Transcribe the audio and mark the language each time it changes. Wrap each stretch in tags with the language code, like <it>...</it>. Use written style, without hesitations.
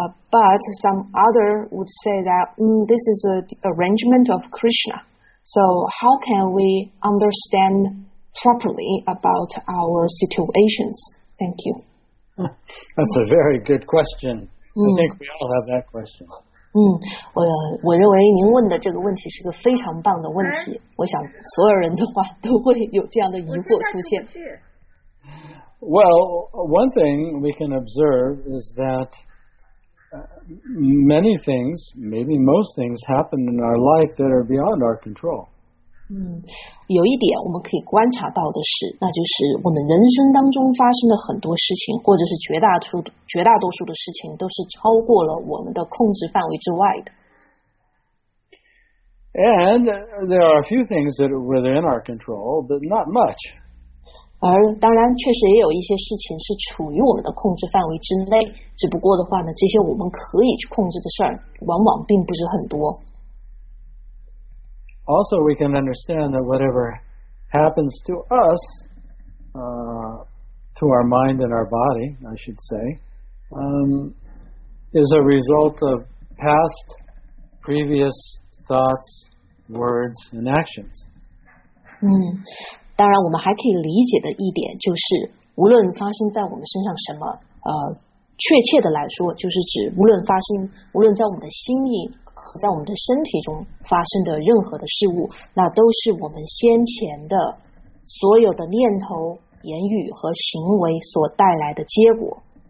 <en>But some other would say that this is an arrangement of Krishna. So how can we understand properly about our situations? Thank you. That's a very good question. I think we all have that question.</en> <zh>我认为您问的这个问题是个非常棒的问题，我想所有人的话都会有这样的疑惑出现。</zh> <en>Well, one thing we can observe is that many things, maybe most things, happen in our life that are beyond our control.</en> <zh>有一点我们可以观察到的是，那就是我们人生当中发生的很多事情，或者是绝大多数的事情，都是超过了我们的控制范围之外的。</zh> <en>And there are a few things that are within our control, but not much.</en> <zh>而当然确实也有一些事情是处于我们的控制范围之内，只不过的话呢，这些我们可以去控制的事儿往往并不是很多。</zh> <en>Also we can understand that whatever happens to us to our mind and our body I should say is a result of past previous thoughts, words and actions.</en> <zh>当然我们还可以理解的一点就是无论发生在我们身上什么确切的来说就是指无论在我们的心里和在我们的身体中发生的任何的事物，那都是我们先前的所有的念头言语和行为所带来的结果。</zh>